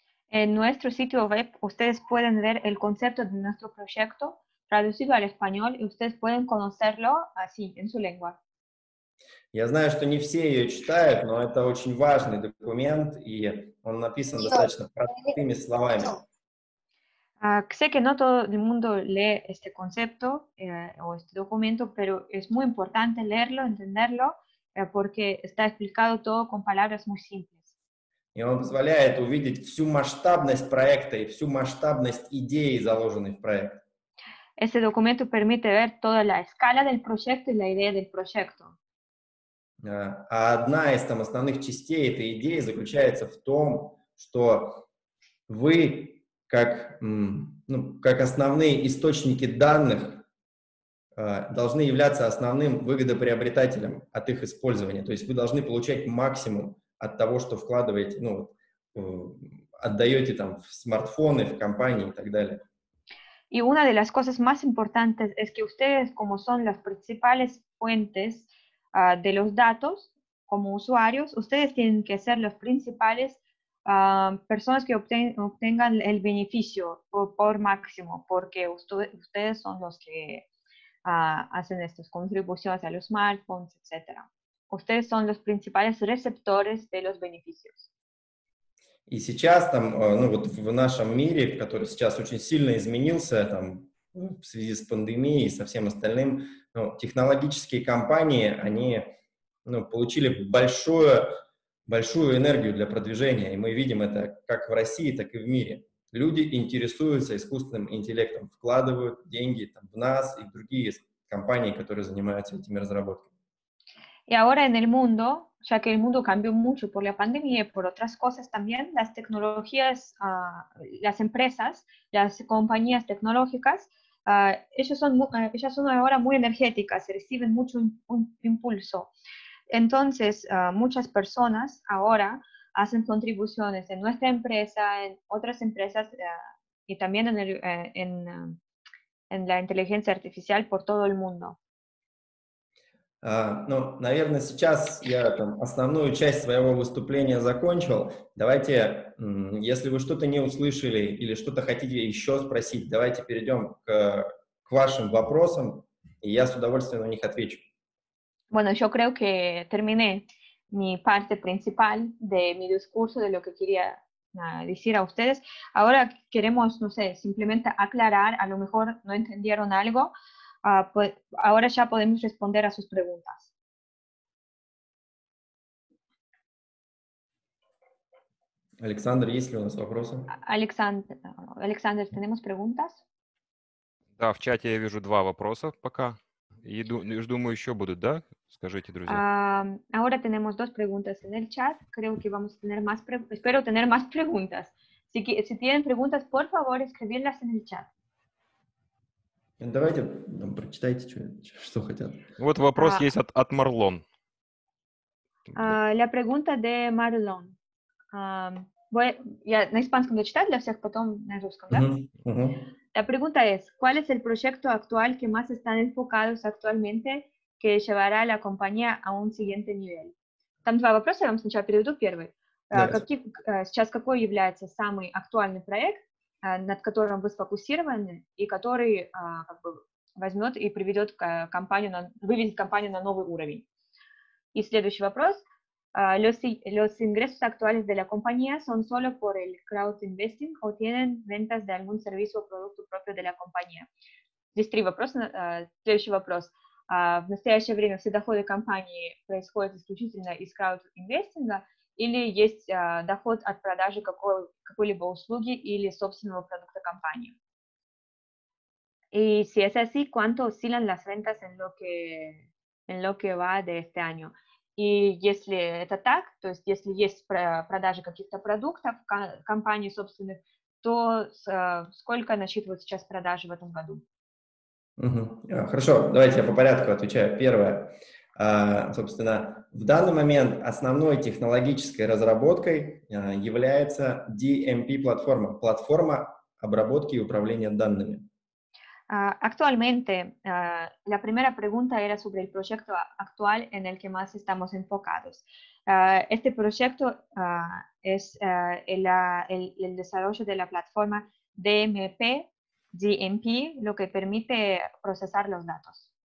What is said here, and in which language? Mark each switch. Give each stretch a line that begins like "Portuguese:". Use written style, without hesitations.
Spanish: En nuestro sitio web ustedes pueden ver el concepto de nuestro proyecto traducido al español y ustedes pueden conocerlo así, en su lengua.
Russian: Я знаю, что не все ее читают, но это очень важный документ, и он написан достаточно простыми словами.
Spanish: Sé que no todo el mundo lee este concepto o este documento, pero es muy importante leerlo, entenderlo, porque está explicado todo con palabras muy simples.
Russian: И он позволяет увидеть всю масштабность проекта и всю масштабность идеи, заложенной в проект.
Spanish: Este documento permite ver toda la escala del proyecto y la idea del proyecto.
Russian: А одна из там основных частей этой идеи заключается в том, что вы как, ну, как основные источники данных должны являться основным выгодоприобретателем от их использования. То есть вы должны получать максимум от того, что вкладываете, ну, отдаете там в смартфоны, в компании и так далее. И
Spanish: una de las cosas más importantes es que ustedes, como son las principales fuentes de los datos, como usuarios, ustedes tienen que ser los principales personas que obtengan el beneficio por máximo, porque ustedes son los que hacen estas contribuciones a los smartphones, etc. Ustedes son los principales receptores de los beneficios. Y
Russian: сейчас там, ну вот в нашем мире, который сейчас очень сильно изменился там в связи с пандемией и со всем остальным, ну, технологические компании, они, ну, получили большое большую энергию для продвижения, и мы видим это как в России, так и в мире. Люди интересуются искусственным интеллектом, вкладывают деньги там, в нас и в другие компании, которые занимаются этими разработками. И
Spanish: ahora en el mundo, ya que el mundo cambió mucho por la pandemia y por otras cosas también, las tecnologías, las empresas, las compañías tecnológicas, ellas son ahora muy energéticas, reciben mucho impulso. Entonces, muchas personas ahora hacen contribuciones en nuestra empresa, en otras empresas y también en, el, en la inteligencia artificial por todo el mundo.
Russian: Ну, наверное, сейчас я там основную часть своего выступления закончил. Давайте, если вы что-то не услышали или что-то хотите еще спросить, давайте перейдем к вашим вопросам, и я с удовольствием на них отвечу.
Spanish: Bueno, yo creo que terminé mi parte principal de mi discurso, de lo que quería decir a ustedes. Ahora queremos, no sé, simplemente aclarar, a lo mejor no entendieron algo, pues ahora ya podemos responder a sus preguntas.
Russian: Александр, есть ли у нас вопросы?
Spanish: Александр, ¿tenemos preguntas?
Russian: Да, в чате я вижу два вопроса пока. И думаю, еще будут, да? Скажите, друзья.
Spanish: Ahora tenemos dos preguntas en el chat. Creo que vamos a tener más preguntas. Espero tener más preguntas. Si tienen preguntas, por favor, escribirlas en el chat.
Russian: Давайте прочитайте, что хотят. Вот вопрос есть от Марлон.
Spanish: La pregunta de Marlon.
Russian: Я на испанском дочитаю для всех, потом на русском, да?
Spanish: La pregunta es, ¿cuál es el proyecto actual que más están enfocados actualmente que llevará a la compañía a un siguiente nivel?
Russian: Там два вопроса, я вам сначала переведу первый. Сейчас какой является самый актуальный проект, над которым вы сфокусированы, и который как бы возьмет и приведет компанию, выведет компанию на новый уровень? И следующий вопрос.
Spanish: Los ingresos actuales de la compañía son solo por el crowd investing o tienen ventas de algún servicio o producto propio de la compañía?
Russian: Здесь три вопроса. Следующий вопрос. В настоящее время все доходы компании происходят исключительно из crowd investing или есть доход от продажи какой-либо услуги или собственного продукта компании? И
Spanish: si es así, ¿cuánto oscilan las ventas en lo que va de este año?
Russian: И если это так, то есть если есть продажи каких-то продуктов компании собственных, то сколько насчитывают сейчас продажи в этом году? Хорошо, давайте я по порядку отвечаю. Первое. Собственно, в данный момент основной технологической разработкой является DMP-платформа, платформа обработки и управления данными.
Spanish: Actualmente, la primera pregunta era sobre el proyecto actual en el que más estamos enfocados. Este proyecto es el desarrollo de la plataforma DMP, DMP, lo que permite procesar los datos.